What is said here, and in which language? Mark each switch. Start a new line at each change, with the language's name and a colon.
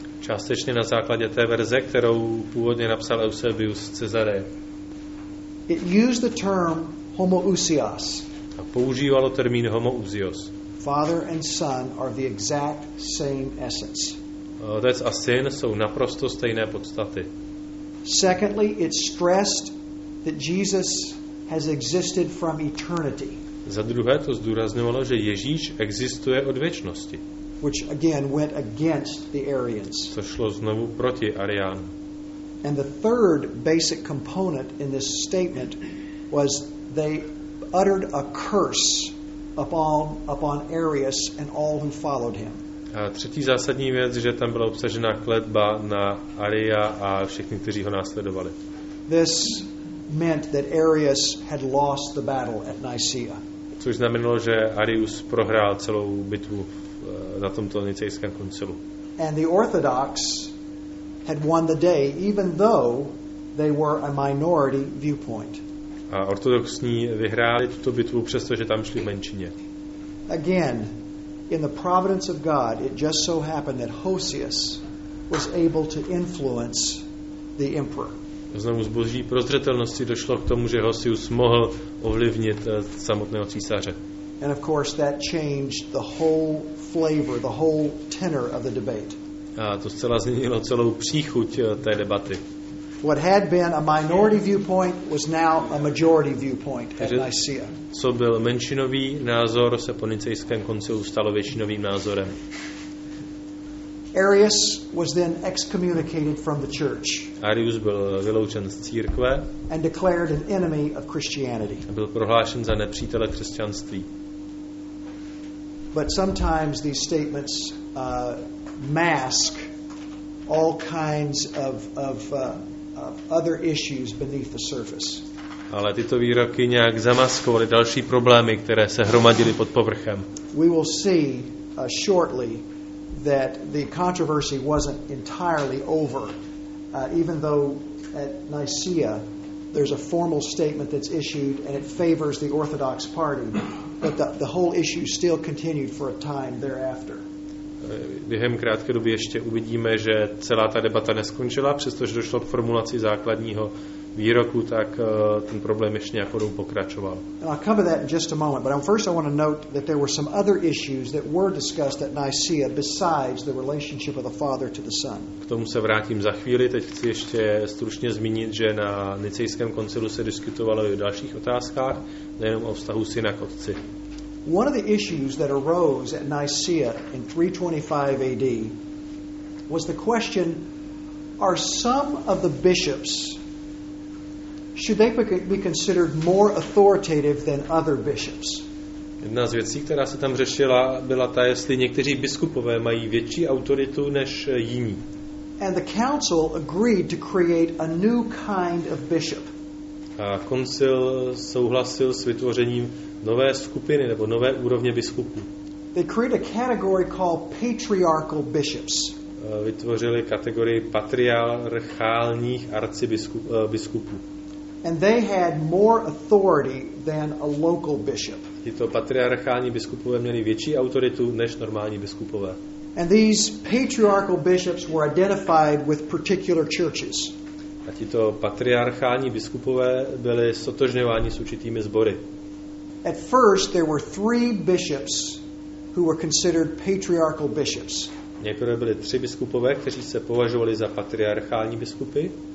Czech: Částečně na základě té verze, kterou původně napsal Eusebius z Cezareje.
English: It used the term homoousios.
Czech: A používalo termín homoousios.
English: Father and Son are the exact same essence.
Czech: Otec a syn jsou naprosto stejné podstaty.
English: Secondly, it's stressed that Jesus has existed from eternity.
Czech: Za druhé to zdůrazňovalo, že Ježíš existuje od věčnosti.
English: Which again went against the Arians.
Czech: To šlo znovu proti Ariánům.
English: And the third basic component in this statement was they uttered a curse upon Arius and all who followed him.
Czech: A třetí zásadní věc, že tam byla obsažena kletba na Aria a všechny, kteří ho následovali.
English: This meant that Arius had lost the battle at Nicaea.
Czech: Což znamenalo, že Arius prohrál celou bitvu na tomto nicejském koncilu.
English: And the Orthodox had won the day, even though they were a minority viewpoint.
Czech: A ortodoxní vyhráli tuto bitvu, přestože tam šli v menšině.
English: Again, in the providence of God, it just so happened that Hosius was able to influence the emperor.
Czech: Znovu z boží prozřetelnosti došlo k tomu, že Hosius mohl ovlivnit samotného císaře.
English: And of course, that changed the whole flavor, the whole tenor of the debate.
Czech: A to zcela změnilo celou příchuť té debaty.
English: What had been a minority viewpoint was now a majority viewpoint at Nicaea.
Czech: Co byl menšinový názor, se po nicejském koncilu stalo většinovým názorem.
English: Arius was then excommunicated from the church.
Czech: Arius byl vyloučen z církve.
English: And declared an enemy of Christianity.
Czech: A byl prohlášen za nepřítele křesťanství.
English: But sometimes these statements mask all kinds of other issues beneath the surface.
Czech: Ale tyto výroky nějak zamaskovaly další problémy, které se hromadily pod povrchem.
English: We will see shortly that the controversy wasn't entirely over, even though at Nicaea there's a formal statement that's issued and it favors the Orthodox party, but the whole issue still continued for a time thereafter.
Czech: Během krátké doby ještě uvidíme, že celá ta debata neskončila, přestože došlo k formulaci základního výroku, tak ten problém ještě nějakou dobu pokračoval.
English: I'll come to that in just a moment, but first I want to note that there were some other issues that were discussed at Nicaea besides the relationship of the Father to the Son.
Czech: K tomu se vrátím za chvíli, teď chci ještě stručně zmínit, že na nicejském koncilu se diskutovalo i o dalších otázkách, nejenom o vztahu syna k otci.
English: One of the issues that arose at Nicaea in 325 AD was the question, are some of the bishops, should they be considered more authoritative than other bishops?
Czech: Jedna z věcí, která se tam řešila, byla ta, jestli někteří biskupové mají větší autoritu než jiní.
English: And the council agreed to create a new kind of bishop.
Czech: A koncil souhlasil s vytvořením nové skupiny nebo nové úrovně biskupů.
English: They create a category called patriarchal bishops.
Czech: Vytvořili kategorii patriarchálních arcibiskupů.
English: And they had more authority than a local bishop.
Czech: Tito patriarchální biskupové měli větší autoritu než normální biskupové.
English: And these patriarchal bishops were identified with particular churches.
Czech: A tito patriarchální biskupové byli sotožňováni s určitými sbory.
English: At first there were three bishops who were considered patriarchal bishops.
Czech: Nejprve byli tři biskupové, kteří se považovali za patriarchální biskupy.